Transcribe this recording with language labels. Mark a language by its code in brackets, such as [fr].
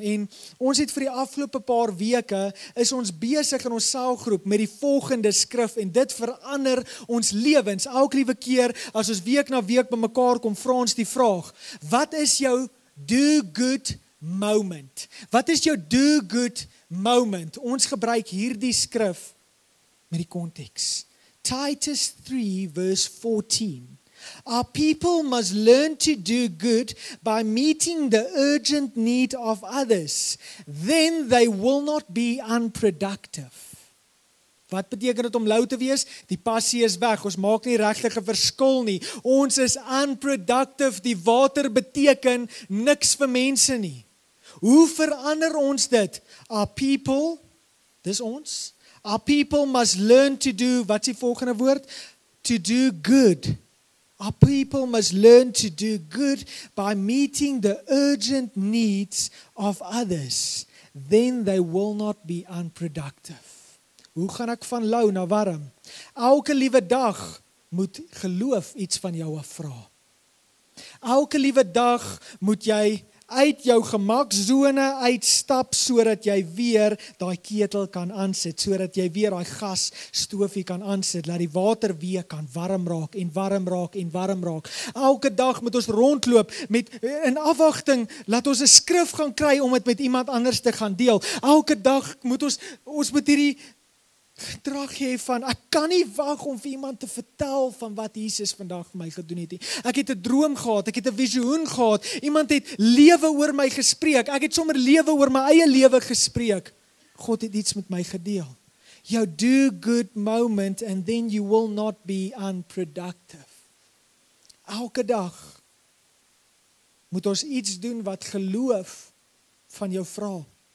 [af] En ons het vir die afgelope paar weke, is ons besig in ons saalgroep met die volgende skrif, en dit verander ons lewens. Elke liewe keer, as ons week na week by mekaar kom, vra ons die vraag, wat is jou [en] do good moment? [af] Wat is jou [en] do good moment? [af] Ons gebruik hierdie skrif met die konteks. Titus 3 vers 14. [en] Our people must learn to do good by meeting the urgent need of others. Then they will not be unproductive. [af] Wat beteken dit om lauw te wees? Die passie is weg. Ons maak nie regtige verskil nie. Ons is unproductive. Die water beteken niks vir mense nie. Hoe verander ons dit? [en] Our people, [af] dis ons. [en] Our people must learn to do, [af] wat is die volgende woord? [en] To do good. Our people must learn to do good by meeting the urgent needs of others. Then they will not be unproductive. [af] Hoe gaan ek van lauw na warm? Elke liewe dag moet geloof iets van jou afvra. Elke liewe dag moet jy uit jou gemakzone uitstap, sodat jy weer die ketel kan aansit, sodat jy weer die gasstoofie kan aansit, laat die water weer kan warm raak, en warm raak, en warm raak. Elke dag moet ons rondloop, met in afwachting, laat ons 'n skrif gaan kry, om het met iemand anders te gaan deel. Elke dag moet ons moet hierdie gedrag hê van, ek kan nie wag om vir iemand te vertel van wat Jesus vandag vir my gedoen het. Ek het 'n droom gehad, ek het 'n visioen gehad, iemand het lewe oor my gespreek, ek het sommer lewe oor my eie lewe gespreek. God het iets met my gedeel. Jou [en] do good moment and then you will not be unproductive. [af] Elke dag moet ons iets doen wat geloof van jou vra.